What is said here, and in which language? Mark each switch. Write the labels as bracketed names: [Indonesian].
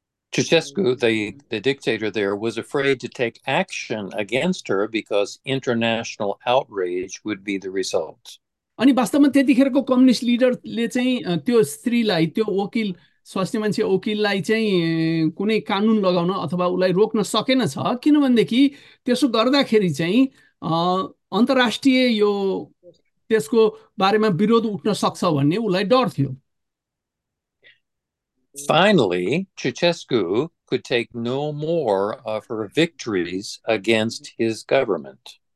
[English] Ceausescu, the dictator there, was afraid to take action against her because international outrage would be the result. [Nepali] अनि वास्तवमा त्यतिखेरको communist लिडरले चाहिँ त्यो स्त्रीलाई त्यो वकिल स्वास्थ्य मान्छे वकिललाई चाहिँ कुनै कानुन लगाउन अथवा उसलाई रोक्न सकेन छ किनभनेदेखि त्यसो गर्दाखेरि चाहिँ अन्तर्राष्ट्रिय यो त्यसको बारेमा विरोध उठ्न सक्छ भन्ने उसलाई डर थियो। [English] Finally, Ceausescu could take no more of her victories against his government.